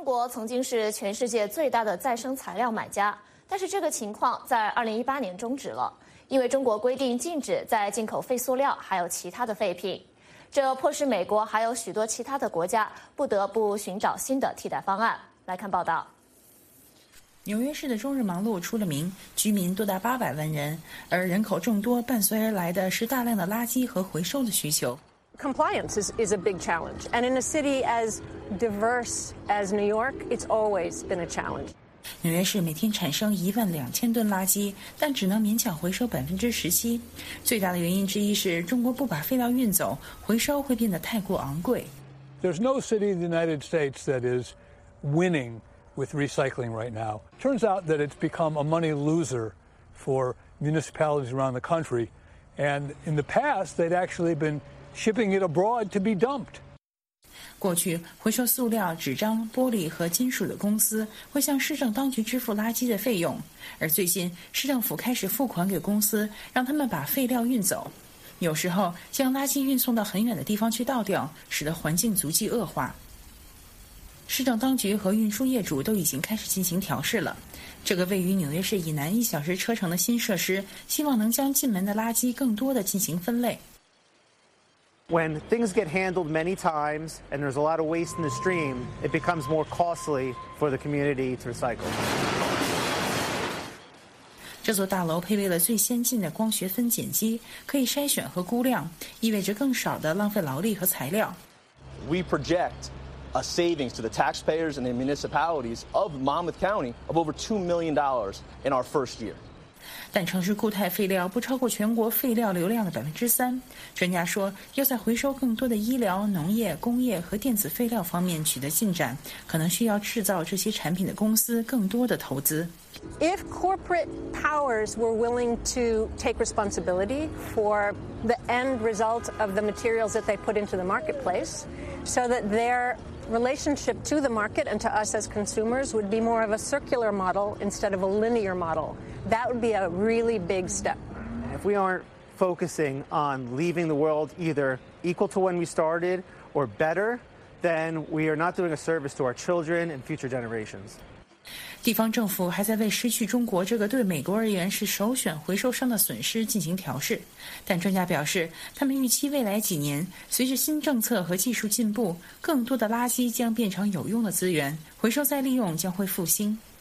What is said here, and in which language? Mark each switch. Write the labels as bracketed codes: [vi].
[zh] 曾经是全世界最大的再生材料买家，但是这个情况在2018年终止了，因为中国规定禁止再进口废塑料还有其他的废品，这迫使美国还有许多其他的国家不得不寻找新的替代方案。来看报道。纽约市的终日忙碌出了名，居民多达800万人，而人口众多伴随而来的是大量的垃圾和回收的需求。 [en] Compliance is a big challenge, and in a city as diverse as New York, it's always been a challenge. [zh] 纽约市每天产生12000吨垃圾，但只能勉强回收17%。最大的原因之一是中国不把废料运走，回收会变得太过昂贵。 [en] There's no city in the United States that is winning with recycling right now. Turns out that it's become a money loser for municipalities around the country, and in the past they'd actually beenShipping it abroad to be dumped. [zh] 过去回收塑料、纸张、玻璃和金属的公司会向市政当局支付垃圾的费用，而最近市政府开始付款给公司，让他们把废料运走，有时候将垃圾运送到很远的地方去倒掉，使得环境足迹恶化。市政当局和运输业主都已经开始进行调试了。这个位于纽约市以南1小时车程的新设施，希望能将进门的垃圾更多地进行分类。 [en] When things get handled many times and there's a lot of waste in the stream, it becomes more costly for the community to recycle. [zh] 这座大楼配备了最先进的光学分拣机，可以筛选和估量，意味着更少的浪费劳力和材料。 [en] We project a savings to the taxpayers and the municipalities of Monmouth County of over $2 million in our first year. [zh] 但城市固态废料不超过全国废料流量的3%。专家说，要在回收更多的医疗、农业、工业和电子废料方面取得进展，可能需要制造这些产品的公司更多的投资。 [en] If corporate powers were willing to take responsibility for the end result of the materials that they put into the marketplace, so that their relationship to the market and to us as consumers would be more of a circular model instead of a linear model. That would be a really big step. If we aren't focusing on leaving the world either equal to when we started or better, then we are not doing a service to our children and future generations. [zh] 地方政府还在为失去中国这个对美国而言是首选回收商的损失进行调试，但专家表示，他们预期未来几年，随着新政策和技术进步，更多的垃圾将变成有用的资源，回收再利用将会复兴。